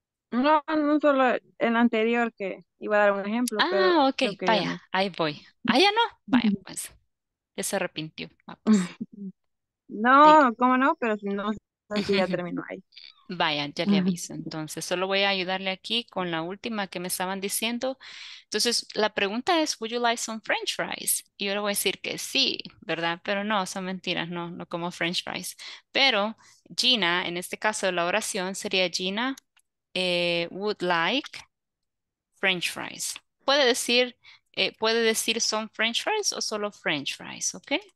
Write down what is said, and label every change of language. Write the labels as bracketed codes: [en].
[es] No, no solo el anterior que iba a dar un ejemplo. Ah, pero ok, creo que vaya, no. Ahí voy. Ah, ya no. Vaya, pues. Ya se arrepintió. Ah, pues. No, ¿cómo no? Pero si no, así ya terminó ahí. Vaya, ya le aviso. Entonces, solo voy a ayudarle aquí con la última que me estaban diciendo. Entonces, la pregunta es, [en] would you like some french fries? [es] Y yo le voy a decir que sí, ¿verdad? Pero no, son mentiras, no, no como french fries. Pero Gina, en este caso, la oración sería [en] Gina would like french fries. [es] Puede decir some french fries o solo french fries, ¿ok?